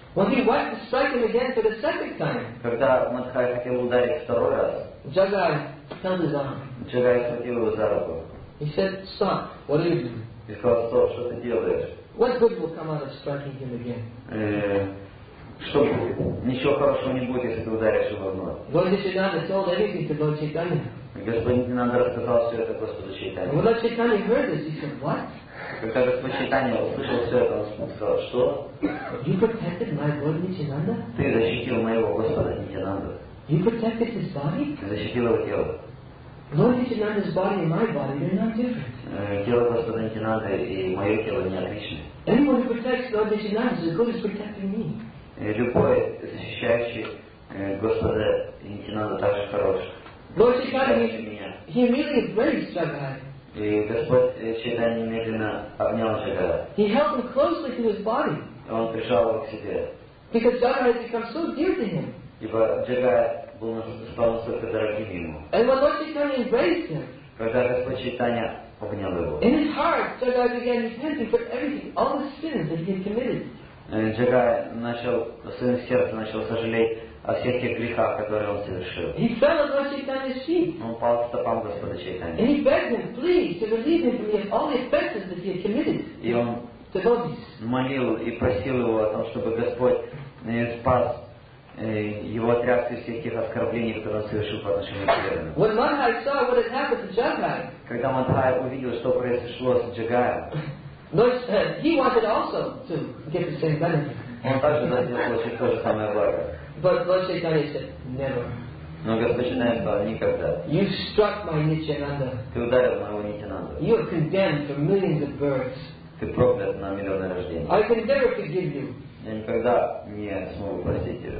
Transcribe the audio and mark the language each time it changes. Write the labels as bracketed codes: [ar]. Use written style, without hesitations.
[en] When he went to strike him again for the second time. [ru] Когда Мадхай хотел ударить второй раз. [en] Джагай held his arm. [ru] Джагай схватил его за руку. [en] He said, stop, what are you doing? [ru] И сказал, стоп, что ты делаешь? [en] What good will come out of striking him again? [ru] Что будет? Ничего хорошего не будет, если ты ударишь его вновь. [en] Lord Nityananda told everything to Lord Chaitanya. [ru] Господин Нитинанда рассказал все это Господу Чайтанье. [en] When Lord Chaitanya heard this, he said, what? [ru] Когда Господь Чайтанья услышал все это, он сказал, что? [en] You protected my Lord Nityananda? [ru] Ты защитил моего Господа Нитянанду. [en] You protected his body? [ru] Ты защитил его тело. [en] Lord Nityananda's body and my body, they're not different. [ru] Тело Господа Нитянанды и мое тело не отличны. [en] Anyone who protects Lord Nityananda is as good as protecting me. [ru] Любой защищающий Господа Нитянанду так же хорош. [en] Lord Chaitanya, he really embraced Jagannath. [ru] И Господь Чайтанья немедленно обнял Джагара. [en] He held him closely to his body. [ru] Он прижал его к себе. [en] Because Jagannath had become so dear to him. [ru] Ибо Джагара стал настолько дорогим ему. [en] And when Lord Chaitanya embraced him. [ru] Когда Господь Чайтанья обнял его. [en] In his heart, Jagannath began repenting for everything, all the sins that he had committed. [ru] Джагара начал, в своем сердце начал сожалеть о всех тех грехах, которые он совершил. [en] He fell at Lord Chaitanya's feet. [ru] Он пал к стопам Господа Чайтаньи. [en] And he begged him, please, to relieve him from all the offenses that he had committed. [ru] И он молил и просил его о том, чтобы Господь спас его от тряски всех тех оскорблений, которые он совершил по отношению к преданным. [en] When Madhai saw what had happened to Jagai, [ru] когда Мадхай увидел, что произошло с Джагаем, [en] he wanted also to get the same benefit. [ru] Он также захотел получить то же самое благо. [en] But Lord Chaitanya said, never. [ru] Но Господь Чайтанья сказал, никогда. [en] You struck my Nityananda. [ru] Ты ударил моего Нитянанду. [en] You are condemned for millions of births. [ru] Ты проклят на миллионы рождений. [en] I can never forgive you. [ru] Я никогда не смогу простить тебя.